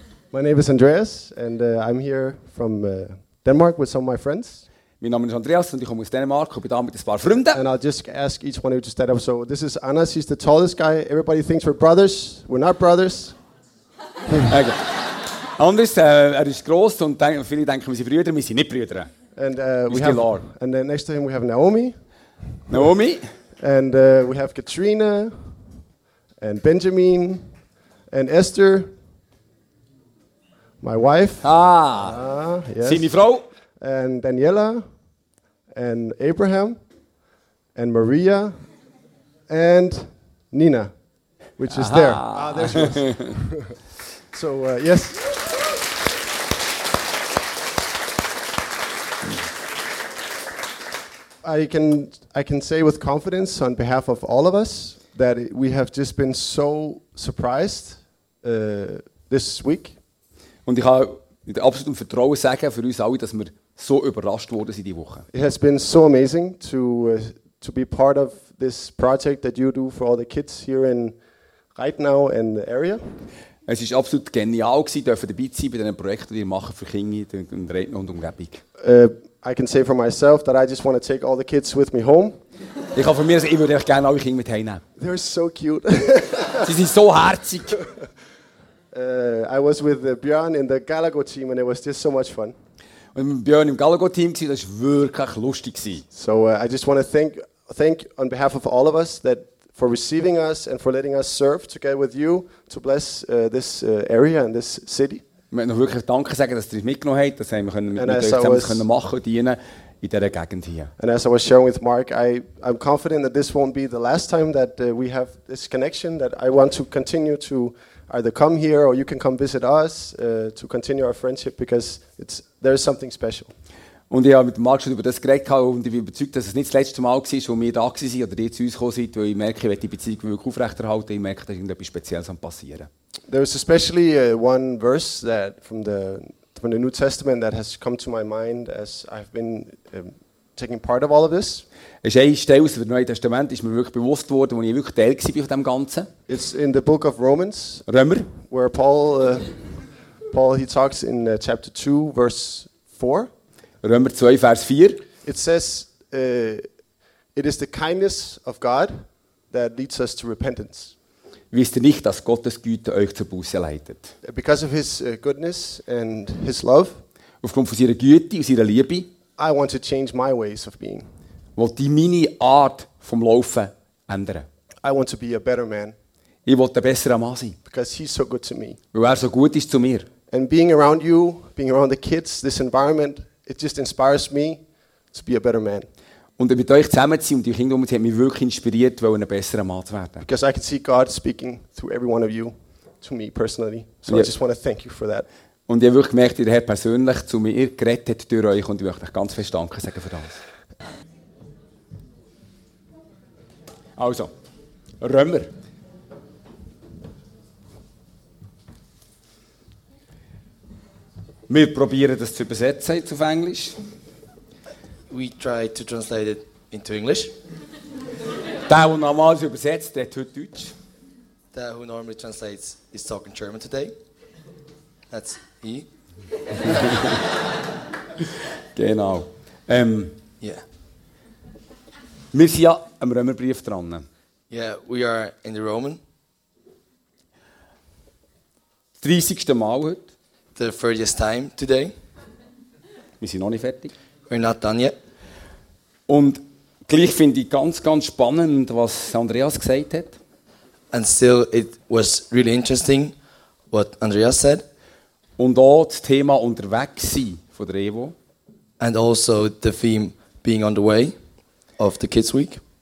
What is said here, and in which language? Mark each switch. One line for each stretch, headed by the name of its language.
English: My name is Andreas, and I'm here from Denmark with some of my friends.
German: Mein Name ist Andreas und ich komme aus Dänemark und bin da mit ein paar Freunden.
English: And I'll just ask each one of you to stand up. So this is Anas, he's the tallest guy. Everybody thinks we're brothers. We're not brothers. Okay.
German: Anders, er ist gross und viele denken, wir sind Brüder, wir sind nicht Brüder.
English: And we have Lord. And then next to him we have Naomi. Naomi. And we have Katrina and Benjamin and Esther. My wife.
German: Yes. Seine Frau.
English: And Daniela and Abraham and Maria and Nina, which is there. There she is. So yes. I can say with confidence on behalf of all of us that we have just been so surprised this week.
German: Und ich kann mit absolutem Vertrauen sagen für uns alle, dass wir so überrascht worden sind diese Woche.
English: It has been so amazing to be part of this project that you do for all the kids here in Reitnau and the area.
German: Es ist absolut genial gewesen, dürfen dabei sein bei diesen Projekten, die wir machen für Kinder in Reitnau und Umgebung.
English: I can say for myself that I just want to take all the kids with me home.
German: Ich kann von mir sagen, ich würde euch gerne alle Kinder mit heimnehmen.
English: They're so cute.
German: Sie sind so herzig.
English: I was with Björn in the Galago team and it was just so much fun.
German: Und mit Björn im Galago team gsi, das ist wirklich lustig gsi.
English: So I just want to thank on behalf of all of us that for receiving us and for letting us serve together with you to bless this area and this city.
German: Ich möchte noch wirklich Danke sagen, dass ihr uns mitgenommen habt, dass wir mit euch zusammen machen und dienen in dieser Gegend hier.
English: And as I was sharing with Mark, I'm confident that this won't be the last time that we have this connection, that I want to continue to either come here or you can come visit us to continue our friendship, because there is something special.
German: Und ich habe mit Mark schon über das geredet und ich bin überzeugt, dass es nicht das letzte Mal war, wo wir da waren oder ihr zu uns gekommen seid, weil ich merke, ich will die Beziehung wirklich aufrechterhalten, ich merke, dass irgendetwas Spezielles am passieren.
English: There is especially one verse that from the New Testament that has come to my mind as I've been taking part of all of this.
German: Es ist eine Stelle aus dem Neuen Testament, ist mir wirklich bewusst worden, wo ich wirklich Teil gsi bin von dem Ganzen.
English: It's in the book of Romans.
German: Römer.
English: Where Paul he talks in chapter 2, verse 4.
German: Römer 2, Vers 4.
English: It says, it is the kindness of God that leads us to repentance.
German: Wisst ihr nicht, dass Gottes Güte euch zur Buße leitet?
English: Because of his goodness and his love.
German: Aufgrund von seiner Güte und seiner Liebe.
English: I want to change my ways of being.
German: Will die meine Art vom Laufen ändern.
English: I want to be a better man.
German: Ich will ein besserer Mann sein.
English: Because he's so good to me.
German: Weil er so gut ist zu mir.
English: And being around you, being around the kids, this environment, it just inspires me to be a better man.
German: Und mit euch zusammen zu sein und die Kinder um uns, hat mich wirklich inspiriert, ein besserer Mann zu werden.
English: Because I can see God speaking through every one of you to me personally. So yeah. I just want to thank you for that.
German: Und ich habe wirklich gemerkt, wie der Herr persönlich zu mir gerettet durch euch und ich möchte euch ganz fest danken sagen für das. Also, Römer. Wir probieren das zu übersetzen jetzt auf Englisch.
English: We try to translate it into English.
German: Der, der normalerweise übersetzt, der tut Deutsch.
English: Der, who normally translates, is talking German today. That's he.
German: Genau. Yeah. Wir sind ja am Römerbrief dran.
English: Yeah, we are in the Roman.
German: 30. Mal heute.
English: The 30th time today.
German: Wir sind noch nicht fertig.
English: We're not done yet.
German: Und gleich finde ich ganz, ganz spannend, was Andreas gesagt hat.
English: And still, it was really interesting, what Andreas said.
German: Und auch das Thema unterwegs sein von der Evo.
English: And also the theme being on the way of the Kids Week.